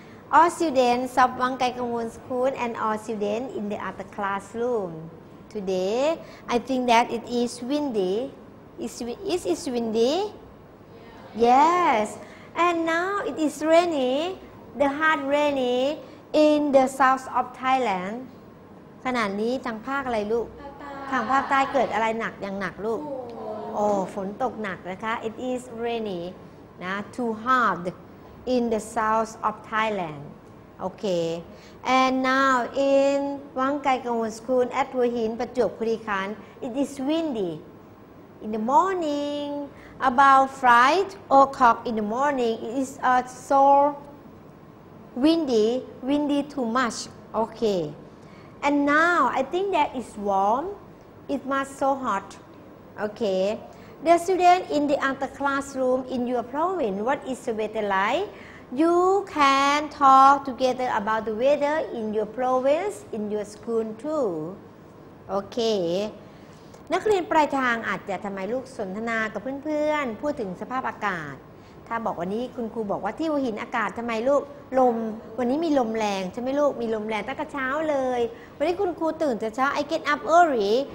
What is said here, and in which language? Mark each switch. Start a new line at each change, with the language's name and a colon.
English: All students of Wang Kai Gong School and all students in the other classroom. Today, I think that it is windy. Is it windy? Yeah. Yes. And now it is rainy, the hard rainy in the south of Thailand.
Thai: ขนาดนี้ทางภาคอะไรลูกทางภาคใต้เกิดอะไรหนักอย่างหนักลูกโอ้ฝนตกหนักนะคะ
English: It is rainy. นะ too hard. In the south of Thailand, okay. And now in Wang Kai Gong School at Hua Hin, Prachuap Khurikhan, it is windy. In the morning, about 5 o'clock in the morning, it is so windy too much, okay. And now I think that it's warm. It must so hot, okay. The student in the other classroom in your province, what is the weather like? You can talk together about the weather in your province, in your school too. Okay.
Thai: นักเรียนปลายทางอาจจะทำไมลูกสนทนากับเพื่อนๆพูดถึงสภาพอากาศถ้าบอกวันนี้คุณครูบอกว่าที่หัวหินอากาศทำไมลูกลมวันนี้มีลมแรงใช่ไหมลูกมีลมแรงตั้งแต่เช้าเลยวันนี้คุณครูตื่นแต่เช้า
English: I get up early.